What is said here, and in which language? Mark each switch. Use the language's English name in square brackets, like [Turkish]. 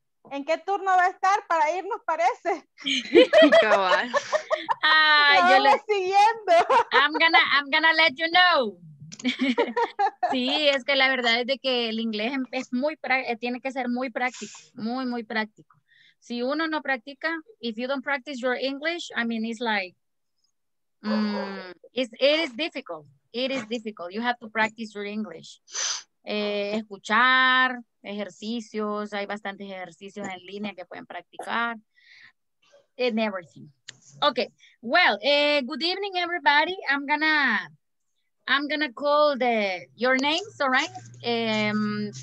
[Spanish] ¿En qué turno va a estar para irnos, parece? Cabal. Ay, yo le siguiendo. [English] I'm gonna let you know. [Spanish] Sí, es que la verdad es de que el inglés es muy tiene que ser muy práctico, muy muy práctico. Si uno no practica, [English] if you don't practice your English, I mean it's like it is difficult. You have to practice your English. [Spanish] Escuchar ejercicios, hay bastantes ejercicios en línea que pueden practicar. [English] And everything. Okay. Well, good evening everybody. I'm gonna call your names, all right?